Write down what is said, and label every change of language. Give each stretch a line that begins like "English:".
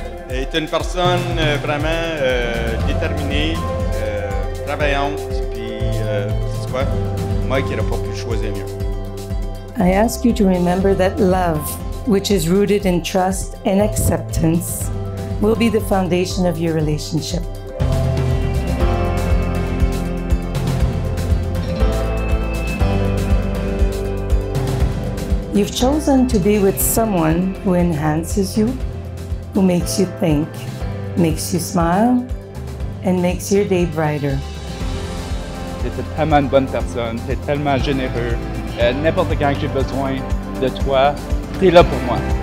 French: Elle est une personne vraiment déterminée, travaillante, puis tu sais quoi? Mike n'aurait pas pu choisir mieux.
English: I ask you to remember that love, which is rooted in trust and acceptance, will be the foundation of your relationship. You've chosen to be with someone who enhances you, who makes you think, makes you smile, and makes your day brighter.
French: T'es tellement une bonne personne, t'es tellement généreux. N'importe quand que j'ai besoin de toi, t'es là pour moi.